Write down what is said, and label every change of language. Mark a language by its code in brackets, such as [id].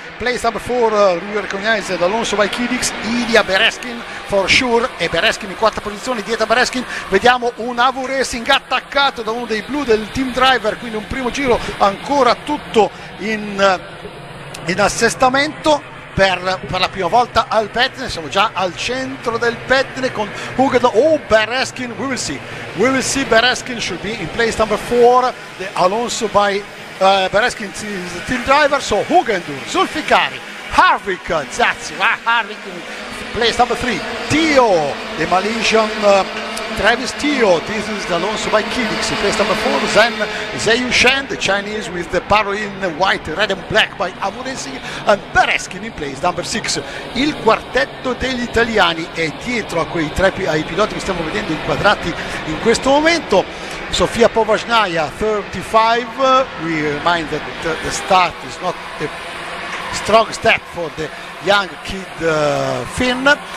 [en] Place number four, we will recognize Alonso by Kydix, Ilia Bereskin for sure, [it] e Bereskin in quarta posizione, dietro Bereskin, vediamo un AV Racing attaccato da uno dei blu del team driver, quindi un primo giro ancora tutto in assestamento. Per la prima volta al pettine, siamo già al centro del pettine con Hugo. [en] Oh, Bereskin, we will see. Bereskin should be in place number 4, Alonso by Bereskin team driver, so Hugendur, Zulfikari, Harvick, Zazzi, Harvick in place number 3, Tio, the Malaysian Travis Tio, this is Alonso by Kydix, in place number 4, Zen Zeyu Shen, the Chinese with the Parolin white, red and black by AV Racing, and Bereskin in place number 6. [it] Il quartetto degli italiani è dietro a quei tre ai piloti che stiamo vedendo inquadrati in questo momento. [en] Sofia Povajnaya 35, we remind that the start is not a strong step for the young kid Finn.